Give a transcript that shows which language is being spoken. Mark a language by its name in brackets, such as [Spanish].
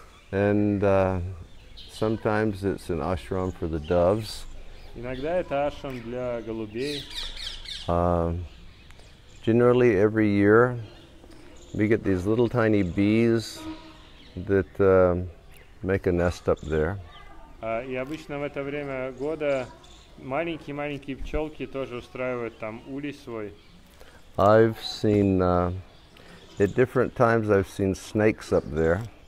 [English] And sometimes it's an ashram for the doves. [Russian] Иногда это ашрам для голубей. [English] Generally every year we get these little tiny bees that make a nest up there. [Russian] И обычно в это время года маленькие-маленькие пчелки тоже устраивают там улей свой. [English] I've seen at different times I've seen snakes up there.